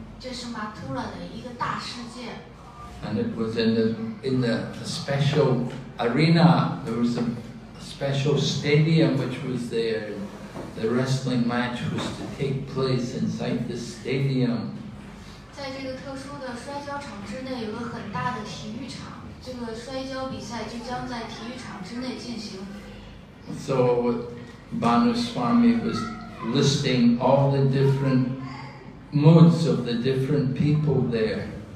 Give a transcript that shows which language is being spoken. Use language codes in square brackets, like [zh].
[zh] 这是 Mathura 的一个大世界。 [en] And it was in the special arena. There was a special stadium which was there. The wrestling match was to take place inside the stadium. [zh] 在这个特殊的摔跤场之内有个很大的体育场。这个摔跤比赛就将在体育场之内进行。 [en] So. Bhanu Swami was listing all the different moods of the different people there.